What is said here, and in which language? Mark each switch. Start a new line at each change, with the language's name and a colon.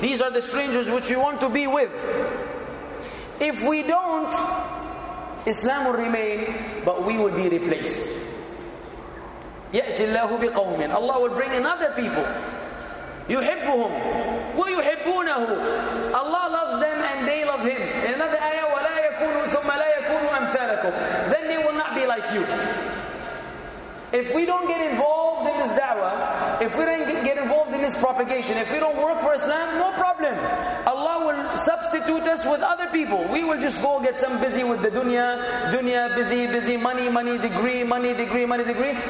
English: These are the strangers which we want to be with. If we don't, Islam will remain, but we will be replaced.
Arabic: يَأْتِ اللَّهُ بِقَوْمٍ.
English: Allah will bring another people.
Arabic: يُحِبُّهُمْ وَيُحِبُّونَهُ.
English: Allah loves them and they love Him. In another ayah,
Arabic: وَلَا يَكُونُوا ثُمَّ لَا يَكُونُوا أَمْثَالَكُمْ.
English: Then they will not be like you. If we don't get involved in this da'wah, if we don't get involved in this propagation, if we don't work for Islam, no problem. Allah will substitute us with other people. We will just go get some busy with the dunya. Dunya, busy, busy, money, money, degree, money, degree, money, degree.